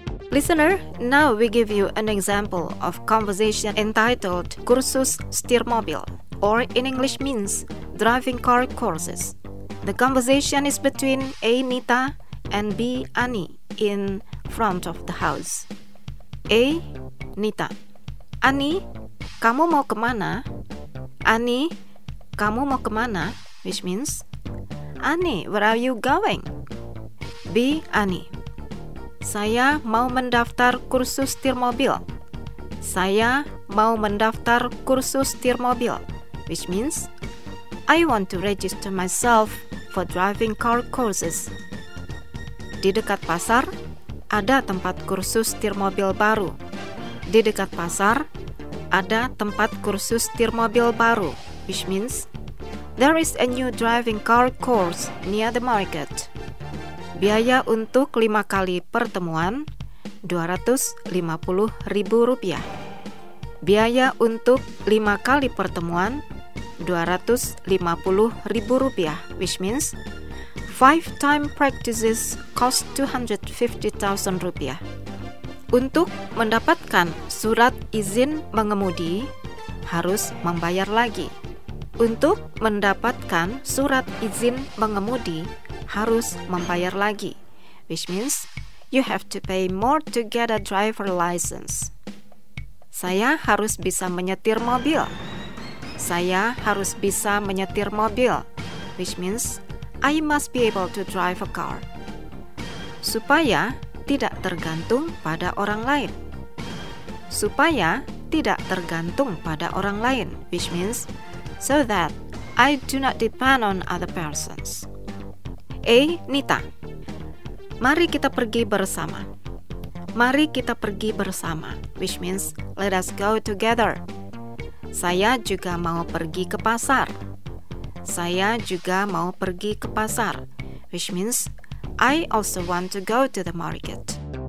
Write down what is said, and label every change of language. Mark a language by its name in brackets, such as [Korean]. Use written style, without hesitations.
[English] Listener, now we give you an example of conversation entitled Cursus Stiermobil, or in English means driving car courses. The conversation is between A. Nita and B. Ani in front of the house. A. [Indonesian] Nita: Ani, kamu mau kemana? Ani, kamu mau kemana? [English] Which means, Ani, where are you going? [Indonesian] B. Ani: Saya mau mendaftar kursus setir mobil. Saya mau mendaftar kursus setir mobil. [English] Which means, I want to register myself for driving car courses. [Indonesian] Di dekat pasar, ada tempat kursus setir mobil baru. Di dekat pasar, ada tempat kursus setir mobil baru. [English] Which means, there is a new driving car course near the market. [Indonesian] Biaya untuk 5 kali pertemuan, Rp250.000. Biaya untuk 5 kali pertemuan, Rp250.000. [English] Which means, 5 time practices cost Rp250.000. [Indonesian] Untuk mendapatkan surat izin mengemudi, harus membayar lagi. Untuk mendapatkan surat izin mengemudi, harus membayar lagi. [English] Which means, you have to pay more to get a driver license. [Indonesian] Saya harus bisa menyetir mobil. Saya harus bisa menyetir mobil. [English] Which means, I must be able to drive a car. [Indonesian] Supaya tidak tergantung pada orang lain. Supaya tidak tergantung pada orang lain. [English] Which means, so that I do not depend on other persons. A. [Indonesian] Nita: Mari kita pergi bersama. Mari kita pergi bersama. [English] Which means, let us go together. [Indonesian] Saya juga mau pergi ke pasar. Saya juga mau pergi ke pasar. [English] Which means, I also want to go to the market.